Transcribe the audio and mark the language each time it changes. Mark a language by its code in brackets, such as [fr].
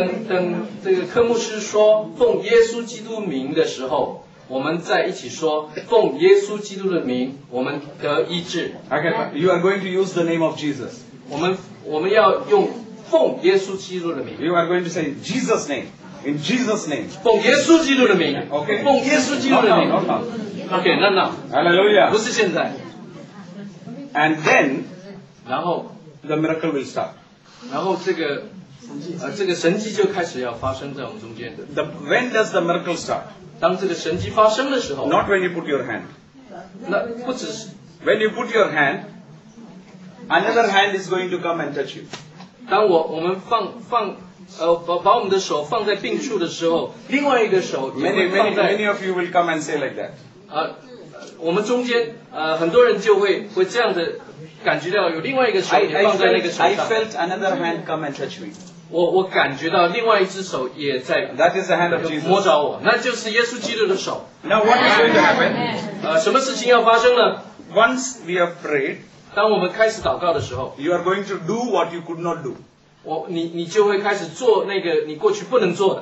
[zh] 等这个科牧师说奉耶稣基督名的时候。我们在一起说，奉耶稣基督的名，我们得医治。 [en] Okay, you are going to use the name of Jesus. [zh] 我们要用奉耶稣基督的名。 [en] You are going to say Jesus' name. In Jesus' name. [zh] 奉耶稣基督的名。 [en] Okay. [zh] 奉耶稣基督的名。 [en] No. Okay, no. Hallelujah. [zh] 不是现在。 [en] And then, [zh] 然后 [en] the miracle will start. [zh] 然后这个神迹就开始要发生在我们中间的。 [en] When does the miracle start? [zh] 当这个神迹发生的时候 [en] ，Not when you put your hand， [zh] 那不只是 [en] ，When you put your hand， another hand is going to come and touch you。 [zh] 当我们把我们的手放在病处的时候，另外一个手 [en] ，Many of you will come and say like that。 [zh] 我们中间很多人就会这样的感觉到有另外一个手也放在那个手上。 [en] I felt another hand come and touch me。 [zh] 我感觉到另外一只手也在 [en] That is the hand of Jesus. [zh] 摸着我，那就是耶稣基督的手。 [en] Now what is going to happen? [zh] 什么事情要发生呢？ [en] Once we have prayed, [zh] 当我们开始祷告的时候， [en] you are going to do what you could not do. [zh] 我你你就会开始做那个你过去不能做的。